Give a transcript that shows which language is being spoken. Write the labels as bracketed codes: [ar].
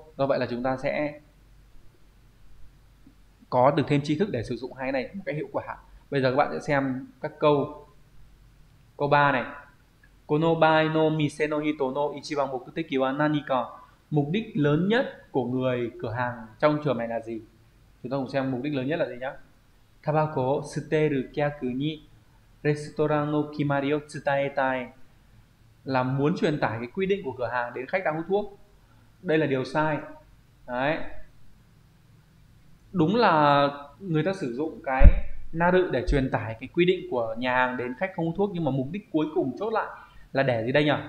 [vi] Do vậy là chúng ta sẽ có được thêm tri thức để sử dụng hai cái này một cách hiệu quả. Bây giờ các bạn sẽ xem các câu. Câu 3 này. [ja] この場合の店の人の一番目的は何か。 [vi] Mục đích lớn nhất của người cửa hàng trong trường này là gì? Chúng ta cùng xem mục đích lớn nhất là gì nhé. [ja] タバコを捨てる客にレストランの決まりを伝えたい。 [vi] Là muốn truyền tải cái quy định của cửa hàng đến khách đang hút thuốc. Đây là điều sai. Đấy. Đúng là người ta sử dụng cái naru để truyền tải cái quy định của nhà hàng đến khách không hút thuốc, nhưng mà mục đích cuối cùng chốt lại là để gì đây nhỉ?